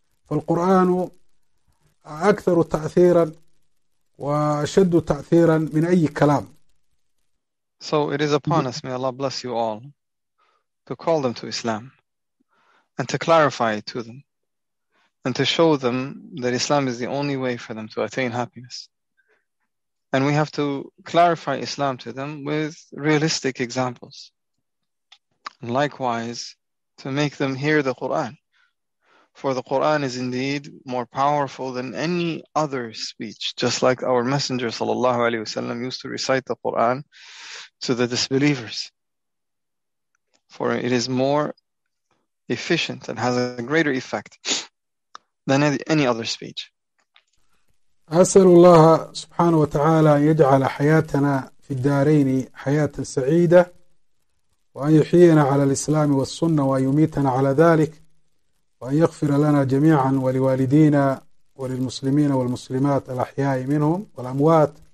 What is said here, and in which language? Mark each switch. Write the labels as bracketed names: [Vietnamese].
[Arabic] فالقرآن أكثر تأثيرا وأشد تأثيرا من أي كلام. [English] So it is upon us, may Allah bless you all, to call them to Islam and to clarify it to them and to show them that Islam is the only way for them to attain happiness. And we have to clarify Islam to them with realistic examples. And likewise, to make them hear the Quran. For the Quran is indeed more powerful than any other speech, just like our Messenger sallallahu alaihi wasallam used to recite the Quran to the disbelievers. for it is more efficient and has a greater effect than any other speech. [Arabic] أسأل الله سبحانه وتعالى أن يجعل حياتنا في الدارين حياة سعيدة وأن يحيينا على الإسلام والسنة وأن يميتنا على ذلك وأن يغفر لنا جميعا ولوالدينا وللمسلمين والمسلمات الأحياء منهم والأموات.